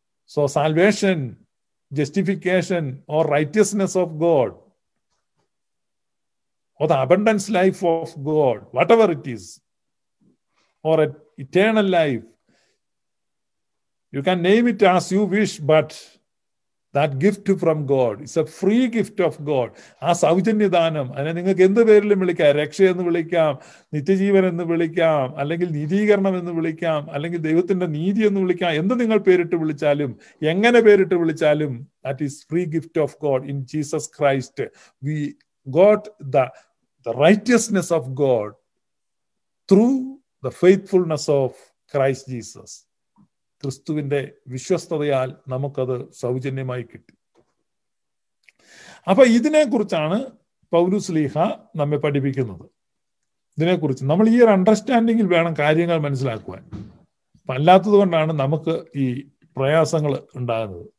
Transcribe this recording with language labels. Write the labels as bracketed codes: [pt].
[en] So salvation, justification or righteousness of God or the abundance life of God whatever it is or eternal life, you can name it as you wish, but that gift from God is a free gift of God. [ml] ആ സൗജന്യദാനം, അതിനെ നിങ്ങൾക്ക് എന്ത് പേരിലും വിളിക്കാം, രക്ഷ എന്ന് വിളിക്കാം, നിത്യജീവൻ എന്ന് വിളിക്കാം, അല്ലെങ്കിൽ നീതീകരണം എന്ന് വിളിക്കാം, അല്ലെങ്കിൽ ദൈവത്തിന്റെ നീതി എന്ന് വിളിക്കാം, എന്ത് നിങ്ങൾ പേരിട്ട് വിളിച്ചാലും എങ്ങനെ പേരിട്ട് വിളിച്ചാലും, [en] that is free gift of God in Jesus Christ. We got the righteousness of God through the faithfulness of Christ Jesus. [ml] ക്രിസ്തുവിന്റെ വിശ്വസ്തതയാൽ നമുക്കത് സൗജന്യമായി കിട്ടി. അപ്പൊ ഇതിനെ കുറിച്ചാണ് പൗലോസ് ശ്ലീഹ നമ്മെ പഠിപ്പിക്കുന്നത്. ഇതിനെക്കുറിച്ച് നമ്മൾ ഈ ഒരു അണ്ടർസ്റ്റാൻഡിങ്ങിൽ വേണം കാര്യങ്ങൾ മനസ്സിലാക്കുവാൻ. അപ്പൊ അല്ലാത്തത് കൊണ്ടാണ് നമുക്ക് ഈ പ്രയാസങ്ങൾ ഉണ്ടാകുന്നത്.